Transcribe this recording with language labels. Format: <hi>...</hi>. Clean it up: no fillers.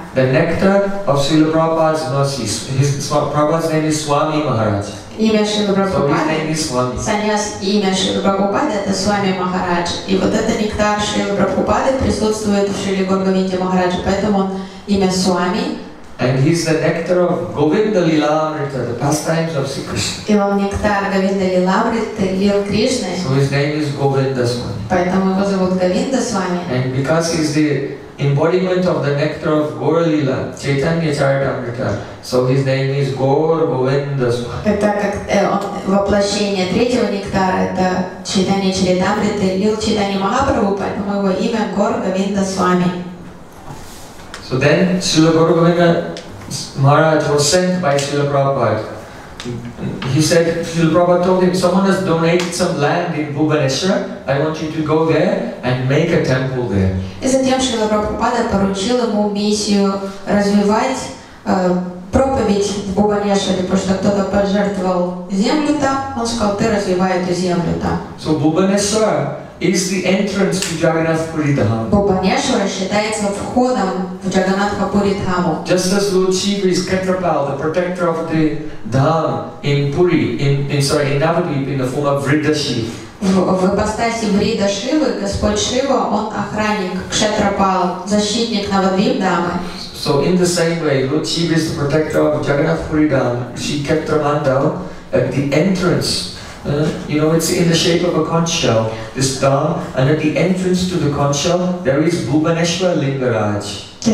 <en>The nectar of Srila Prabhupada's mercy. His Prabhupada's name is Swami Maharaj.</en> <ru>Имя Шрилы Прабхупады, саньяс, имя Шрилы Прабхупады, это Свами Махарадж. И вот это нектар Шрилы Прабхупады присутствует в Шриле Гаура Говинда Махараджа, поэтому имя Свами.</ru> <en>And he is the nectar of Govinda Lilamrita, the pastimes of Sri Krishna. So his name is Govinda Swami. And because he is the embodiment of the nectar of Gaura Lila, Chaitanya Charitamrita, so his name is Gaura Govinda Swami. So then Srila Gaura Govinda Maharaj was sent by Srila Prabhupada. He said, Srila Prabhupada told him, someone has donated some land in Bhubaneswar. I want you to go there and make a temple there.</en> <ru>И затем Шрила Прабхупада поручил ему миссию развивать проповедь в Бхубанешваре, потому что кто-то пожертвовал землю там, он сказал, ты развивай эту землю там.</ru> <en>So Bhubaneswar is the entrance to Jagannath Puri Dham.</en> <ru>Bhubaneswar считается входом в Jagannath Puri Dham.</ru> <en>Just as Lord Shiva is Ketrapal, the protector of the Dham in Puri, in Navadvip, in the form of Vridashiv.</en> <ru>В ипостаси Врида Шивы, Господь Шива, Он охранник Кшетрапал, защитник Навадвип Дамы.</ru> <en>So in the same way, Lord Shiva is the protector of Jagannath Puri Dham, Shri Ketramandal, at the entrance. It's in the shape of a conch shell, this dam, and at the entrance to the conch shell, there is Bhubaneswar Lingaraj.</en>